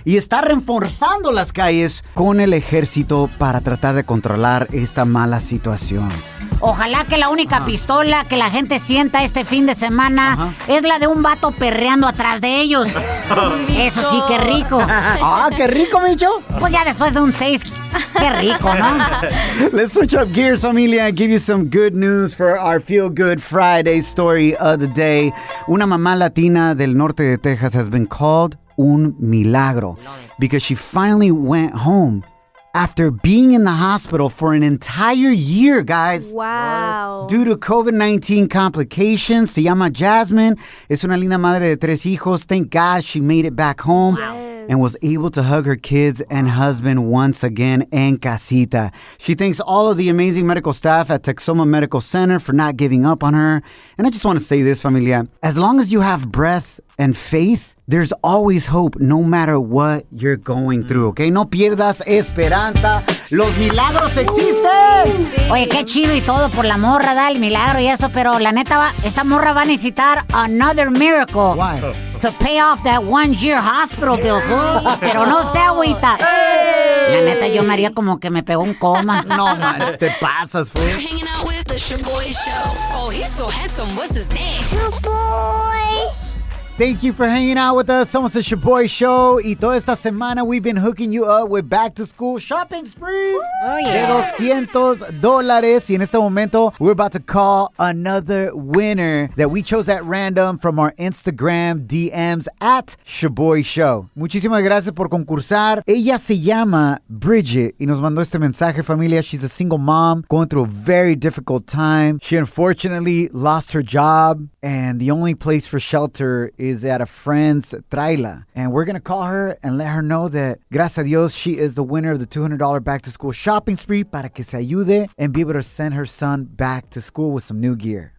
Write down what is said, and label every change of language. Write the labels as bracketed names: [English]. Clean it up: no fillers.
[Spanish] Y está reforzando las calles con el ejército para tratar de controlar esta mala situación. Ojalá que la única pistola que la gente sienta este fin de semana es la de un vato perreando atrás de ellos. Eso sí, qué rico. Ah, qué rico, Micho. Pues ya después de un 6, qué rico, ¿no? [English] Let's switch up gears, familia, and give you some good news for our Feel Good Friday story of the day. [Spanish] Una mamá latina del norte de Texas [English] has been called [Spanish] un milagro [English] because she finally went home after being in the hospital for an entire year, guys. Wow. What? Due to COVID-19 complications. [Spanish] Se llama Jasmine. Es una linda madre de tres hijos. [English] Thank God she made it back home. Wow. And was able to hug her kids and husband once again [Spanish] en casita. [English] She thanks all of the amazing medical staff at Texoma Medical Center for not giving up on her. And I just want to say this, familia. As long as you have breath and faith, there's always hope, no matter what you're going through, okay? [Spanish] No pierdas esperanza. ¡Los milagros existen! Sí. Oye, qué chido y todo por la morra, da el milagro y eso, pero la neta, esta morra va a necesitar [English] another miracle. Why? To pay off that one-year hospital bill, fool. [Spanish] Pero no sé, agüita. [English] Hey. [Spanish] La neta, yo me haría como que me pegó un coma. No, man, te pasas, fool. [English] You're hanging out with the Shaboy Show. Oh, he's so handsome. What's his name? Shaboy. Thank you for hanging out with us. [Spanish] Somos el Shaboy Show. Y toda esta semana, [English] we've been hooking you up with back-to-school shopping sprees. Oh, yeah. [Spanish] De $200. Y en este momento, [English] we're about to call another winner that we chose at random from our Instagram DMs at Shaboy Show. [Spanish] Muchísimas gracias por concursar. Ella se llama Bridget y nos mandó este mensaje, familia. [English] She's a single mom going through a very difficult time. She unfortunately lost her job and the only place for shelter is at a friend's trailer. And we're going to call her and let her know that, [Spanish] gracias a Dios, [English] she is the winner of the $200 back-to-school shopping spree [Spanish] para que se ayude [English] and be able to send her son back to school with some new gear.